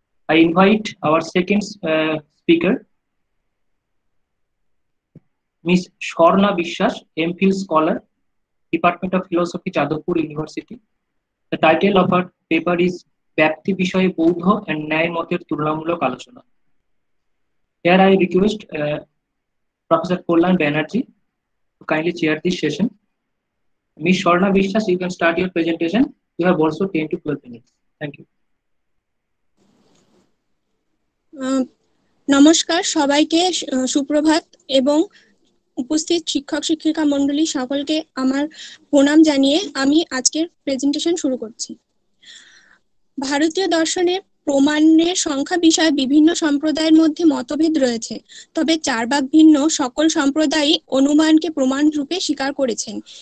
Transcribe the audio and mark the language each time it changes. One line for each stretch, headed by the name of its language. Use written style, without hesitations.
English: I invite our second speaker, miss Swarna Biswas, MPhil scholar, department of philosophy, Jadavpur university. The title of our paper is
Bangla: ব্যক্তি বিষয়ে বৌদ্ধ and ন্যায়মতের তুলনামূলক আলোচনা।
English: Here I request Professor Koldan Banerjee to kindly chair this session. Ms. Swarna Vishwas, you can start your presentation. You have also 10 to 12 minutes. Thank you.
Bangla: Namaskar, সবাইকে সুপ্রভাত এবং উপস্থিত শিক্ষক শিক্ষিকা মণ্ডলী সকলকে আমার প্রণাম জানিয়ে আমি আজকের প্রেজেন্টেশন শুরু করছি। ভারতীয় দর্শনে প্রমাণের সংখ্যা বিষয়ে বিভিন্ন সম্প্রদায়ের মধ্যে মতভেদ রয়েছে, তবে চারবাক ভিন্ন সকল সম্প্রদায়ই অনুমানকে প্রমাণ রূপে স্বীকার করেছেন।